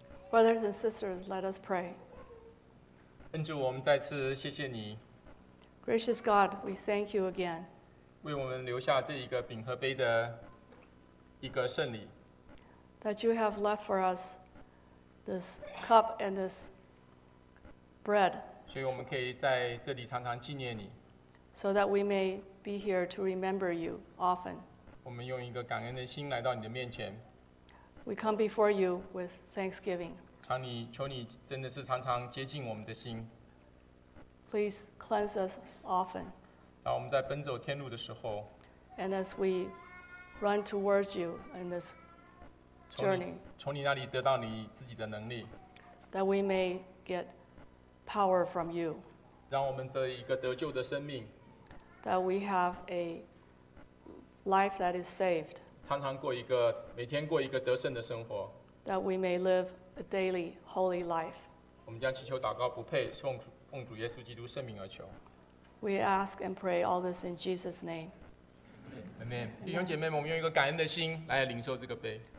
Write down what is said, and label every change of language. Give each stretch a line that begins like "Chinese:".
English: Brothers and sisters, let us pray.
Chinese: 恩主，我们再次谢谢你。
English: Gracious God, we thank you again.
Chinese: 为我们留下这一个饼和杯的一个圣礼。
English: That you have left for us this cup and this bread.
Chinese: 所以我们可以在这里常常纪念你。
English: So that we may be here to remember you often.
Chinese: 我们用一个感恩的心来到你的面前。
English: We come before you with thanksgiving.
Chinese: 求你真的是常常洁净我们的心。
English: Please cleanse us often.
Chinese: 让我们在奔走天路的时候。
English: And as we run towards you in this journey.
Chinese: 从你那里得到你自己的能力。
English: That we may get power from you.
Chinese: 让我们得一个得救的生命。
English: That we have a life that is saved.
Chinese: 常常过一个每天过一个得胜的生活。
English: That we may live a daily holy life.
Chinese: 我们将祈求祷告不配送奉主耶稣基督圣名而求。
English: We ask and pray all this in Jesus' name. Amen.
Chinese: 弟兄姐妹们，我们用一个感恩的心来领受这个杯。